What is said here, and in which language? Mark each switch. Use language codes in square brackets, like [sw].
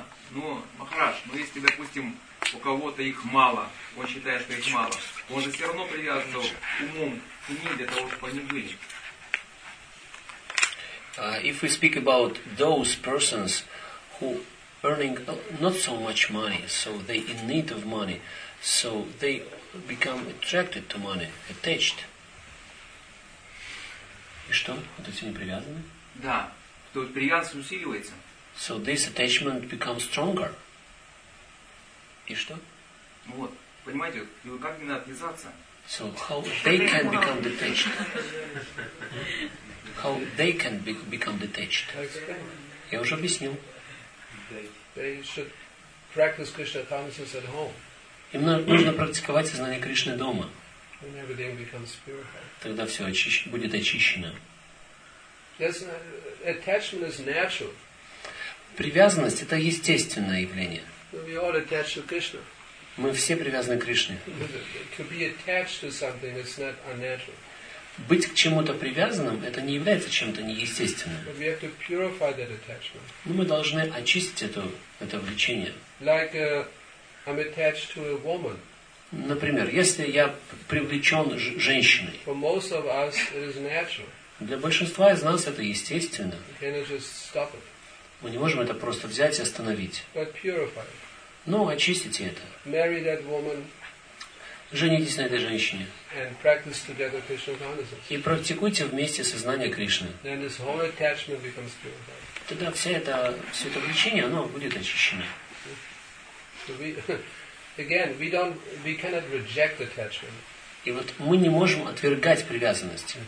[ru] Ну, Махарадж, ну если, допустим, у кого-то их мало, он считает, что их мало, он же все равно привязывается умом к ним для того, чтобы они были. [en] If we speak about those persons who earning not so much money, so they in need of money, so they become attracted to money, attached. [ru] И что? Вот эти непривязаны? Да. То есть привязанность усиливается. [en] So this attachment becomes stronger. [ru] И что? Ну вот, понимаете, ну как не надо отвязаться? [en] So how they can become detached? How they can become detached? [ru] Я уже объяснил. [en] They should practice Krishna consciousness at home. [ru] Им нужно практиковать сознание Кришны дома. [en] When everything becomes pure. [ru] Тогда все будет очищено. [en] Yes, attachment is natural. [ru] Привязанность – это естественное явление. [en] We all attached to Krishna. [ru] Мы все привязаны к Кришне. [en] To be attached to something is not unnatural. [ru] Быть к чему-то привязанным – это не является чем-то неестественным. [en] But we have to purify that attachment. [ru] Но мы должны очистить это влечение. [en] Like, I'm attached to a woman. [ru] Например, если я привлечен женщиной. [en] For most of us, it is natural. [ru] Для большинства из нас это естественно. [en] Can I just stop it? [ru] Мы не можем это просто взять и остановить. Но очистите это. [en] Marry that woman. [ru] Женитесь на этой женщине. [en] And practice together Krishna consciousness. [ru] И практикуйте вместе сознание Кришны. [en] Then this whole attachment becomes purified. [ru] Тогда все это влечение, оно будет очищено. [en] We cannot reject attachment. [ru] И вот мы не можем отвергать привязанность.